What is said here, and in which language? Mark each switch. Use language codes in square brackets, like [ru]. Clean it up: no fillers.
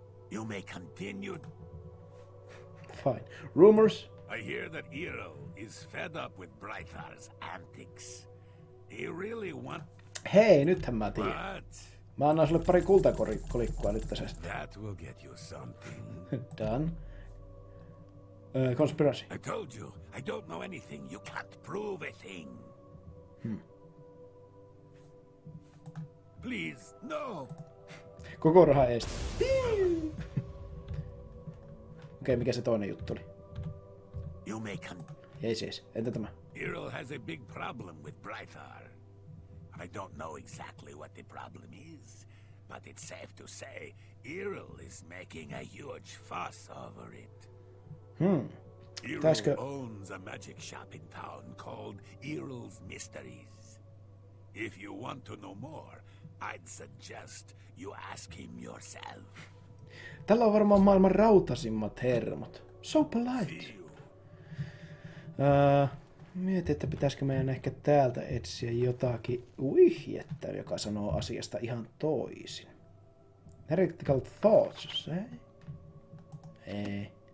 [en] You may continue. Fine. Rumors? I hear that Eero is fed up with Brightar's antics. He really want... [fi] Hei, nythän mä tiedän. But... Mä annan sulle pari kultakolikkoa nyt tässä. [en] That will get you something. Done. Conspiracy. I told you, I don't know anything. You can't prove a thing. Please, no! [fi] Koko raha eestä. Okei, mikä se toinen juttu oli? [en] You may come. Yes, yes. [fi] Entä tämä? [en] Eero has a big problem with Brightar. I don't know exactly what the problem is, but it's safe to say Eero is making a huge fuss over it. Eero owns a magic shop in town called Eero's Mysteries. If you want to know more, I'd suggest you ask him yourself. [fi] Tällä on varmaan maailman rautasimmat hermot. [en] So polite. [fi] Mietin, että pitäisikö meidän ehkä täältä etsiä jotakin vihjettä, joka sanoo asiasta ihan toisin. [en] Heretical thoughts, ei? Ei.